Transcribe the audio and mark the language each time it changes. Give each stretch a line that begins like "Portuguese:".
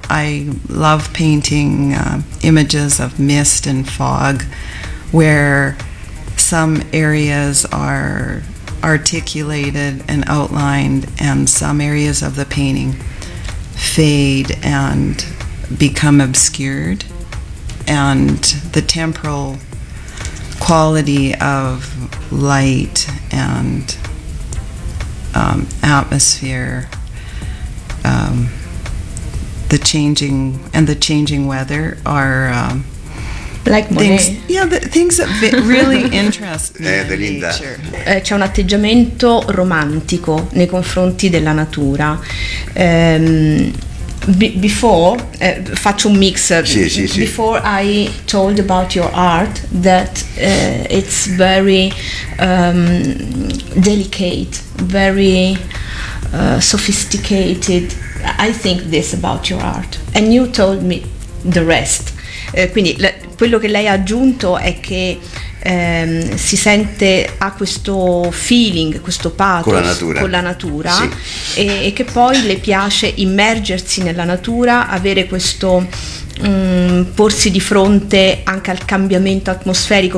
English: I love painting images of mist and fog, where some areas are articulated and outlined, and some areas of the painting fade and become obscured, and the temporal quality of light and atmosphere. The changing and the changing weather are like things, yeah, the things that really interest me.
Italian: C'è un atteggiamento romantico nei confronti della natura. Faccio un mix. Sì, sì, sì.
English: Before I told about your art that it's very delicate, very sophisticated. I think this about your art and you told me the rest.
Italian: Quindi quello che lei ha aggiunto è che si sente, ha questo feeling, questo pathos con la natura, con la natura, sì, e che poi le piace immergersi nella natura, avere questo porsi di fronte anche al cambiamento atmosferico.